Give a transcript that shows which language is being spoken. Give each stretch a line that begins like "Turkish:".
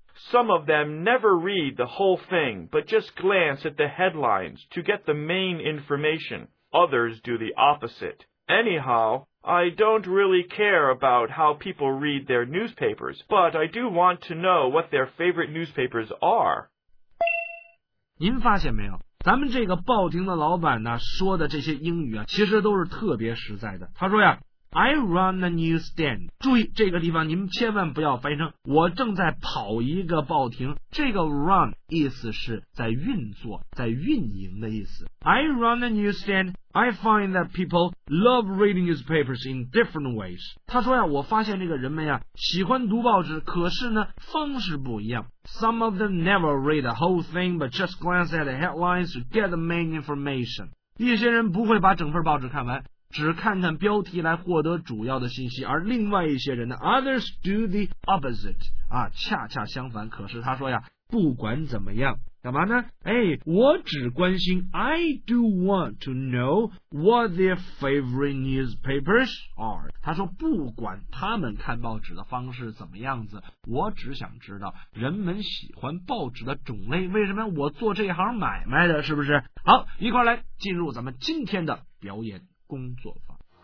English: Some of them never read the whole thing, but just glance at the headlines to get the main information. Others do the opposite. Anyhow, I don't really care about how people read their newspapers, but I do want to know what their favorite newspapers are.
Chinese: 您发现没有？咱们这个报亭的老板呢，说的这些英语啊，其实都是特别实在的。他说呀 ，
English: I run a newsstand。
Chinese: 注意这个地方，您千万不要翻译成我正在跑一个报亭。这个 run 意思是在运作、在运营的意思。
English: I run a newsstand。 I find that people love reading newspapers in different ways.
Chinese: 他说呀，我发现这个人们呀，喜欢读报纸，可是呢，方式不一样。 Some of them never read the whole thing, but just glance at the headlines to get the main information. 一些人不会把整份报纸看完，只看看标题来获得主要的信息，而另外一些人呢 ，
English: others do the opposite.
Chinese: 啊，恰恰相反。可是他说呀，不管怎么样。干嘛呢？哎，我只关心
English: I do want to know what their favorite newspapers are.
Chinese: 他说不管他们看报纸的方式怎么样子，我只想知道人们喜欢报纸的种类。为什么我做这行买卖的，是不是？好，一块来进入咱们今天的表演工作坊。